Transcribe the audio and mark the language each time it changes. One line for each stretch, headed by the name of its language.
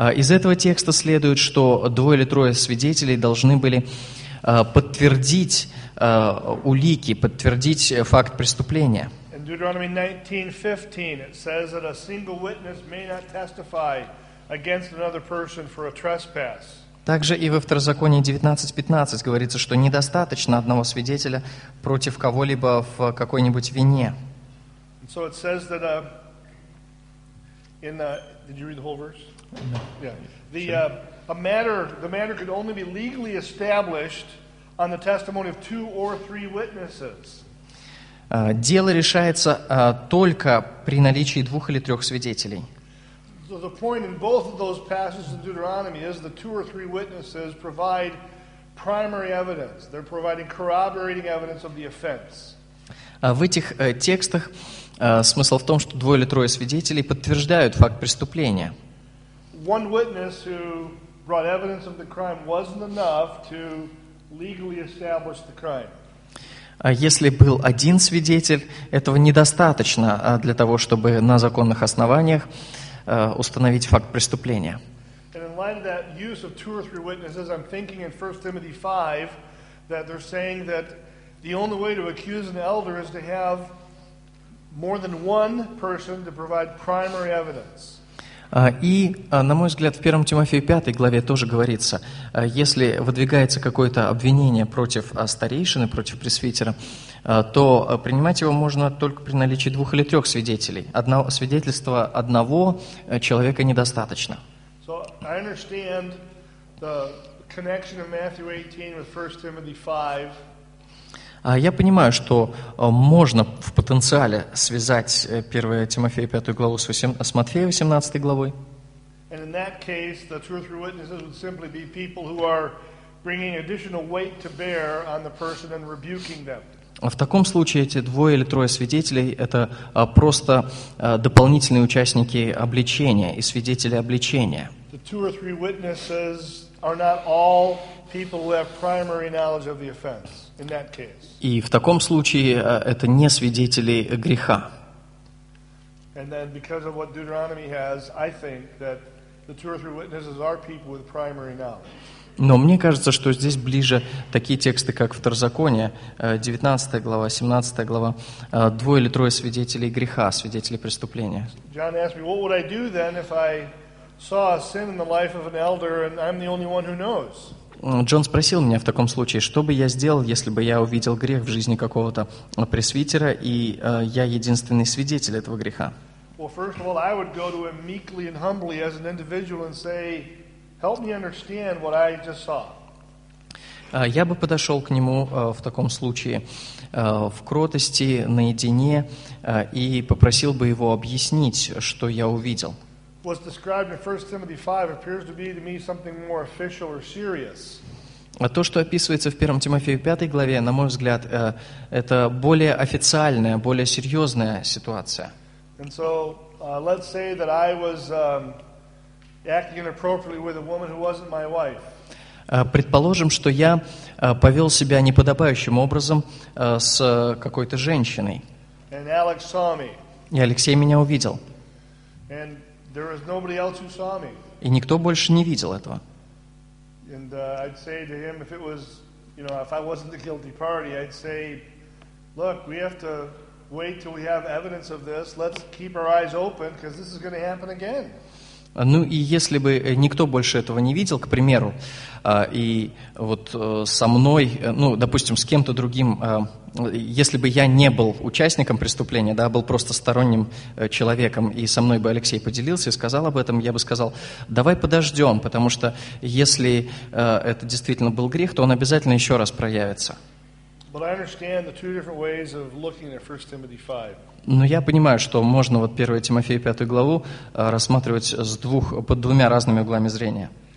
Russian: этого текста следует, что двое или трое свидетелей должны были подтвердить улики, подтвердить факт преступления.
English: In Deuteronomy 19:15 it says that a single witness may not testify against another person for a trespass.
Russian: Также и во Второзаконии 19:15 говорится, что недостаточно одного свидетеля против кого-либо в какой-нибудь вине.
English: So it says that did you read the whole verse? No. Yeah. The matter could only be legally established on the testimony of two or three witnesses.
Russian: Дело решается только при наличии двух или трех свидетелей.
English: So the point in both of those passages in Deuteronomy is the two or three witnesses provide primary evidence. They're providing corroborating evidence of the offense.
Russian: В этих текстах смысл в том, что двое или трое свидетелей подтверждают факт преступления.
English: One witness who brought evidence of the crime wasn't enough to legally establish the crime.
Russian: Если был один свидетель, этого недостаточно для того, чтобы на законных основаниях установить факт преступления. И, на мой взгляд, в 1 Тимофею 5 главе тоже говорится, если выдвигается какое-то обвинение против старейшины, против пресвитера, то принимать его можно только при наличии двух или трех свидетелей. Свидетельства одного человека недостаточно.
English: So I understand the connection of Matthew 18 with 1 Timothy 5.
Russian: Я понимаю, что можно в потенциале связать 1 Тимофея 5 главу с Матфея 18 главой.
English: And in that case, the two or three witnesses would simply be people who are bringing additional weight to bear on the person and rebuking them.
Russian: В таком случае эти двое или трое свидетелей – это просто дополнительные участники обличения и свидетели обличения.
English: The two or three witnesses are not all people who have primary knowledge of the offense. In that case.
Russian: И в таком случае это не свидетели греха.
English: And then because of what Deuteronomy has, I think that the two or three witnesses are people with primary knowledge.
Russian: Но мне кажется, что здесь ближе такие тексты, как Второзаконие, 19 глава, 17 глава, двое или трое свидетелей греха, свидетелей преступления.
English: John asked me, what would I do then if I saw a sin in the life of an elder and I'm the only one who knows?
Russian: Джон спросил меня в таком случае, что бы я сделал, если бы я увидел грех в жизни какого-то пресвитера, и я единственный свидетель этого греха.
English: Well, first of all, I would go to him meekly and humbly as an individual and say, help me understand what I just saw.
Russian: Я бы подошел к нему в таком случае в кротости, наедине, и попросил бы его объяснить, что я увидел.
English: What's described in 1 Timothy 5 appears to be to me something more official or serious.
Russian: А то, что описывается в 1 Тимофею 5 главе, на мой взгляд, это более официальная, более серьезная ситуация.
English: And so, let's say that I was acting inappropriately with a woman who wasn't my wife.
Russian: Предположим, что я повел себя неподобающим образом с какой-то женщиной.
English: And Alex saw me.
Russian: И Алексей меня увидел.
English: And there was nobody else who saw me.
Russian: И никто больше не видел этого.
English: And I'd say to him, if it was, you know, if I wasn't the guilty party, I'd say, look, we have to wait till we have evidence of this. Let's keep our eyes open, because this is going to happen again.
Russian: Ну и если бы никто больше этого не видел, к примеру, и вот со мной, ну, допустим, с кем-то другим, если бы я не был участником преступления, да, был просто сторонним человеком, и со мной бы Алексей поделился и сказал об этом, я бы сказал, давай подождем, потому что если это действительно был грех, то он обязательно еще раз проявится.
English: But I understand the two different ways of looking at 1 Timothy 5.
Russian: Но я понимаю, что можно вот 1 Тимофею 5 главу рассматривать под двумя разными углами зрения.